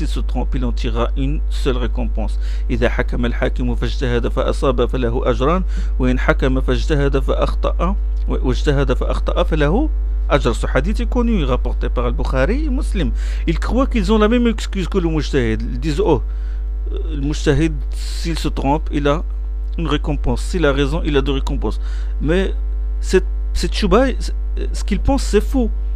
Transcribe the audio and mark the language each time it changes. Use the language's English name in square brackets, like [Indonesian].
[French] S'il se trompe, il en tirera une seule récompense. [Arabic] إذا حكم الحاكم فاجتهد فأصاب فله أجران وإن حكم فاجتهد فأخطأ واجتهد فأخطأ فله Ajr, [French] ce hadith est connu, rapporté par Al-Bukhari et Muslim. Ils croient qu'ils ont la même excuse que le mujtahid. Ils disent, oh, le mujtahid, s'il se trompe, il a une récompense. S'il a raison, il a deux récompenses. Mais cette shubha, ce qu'ils pensent, c'est faux.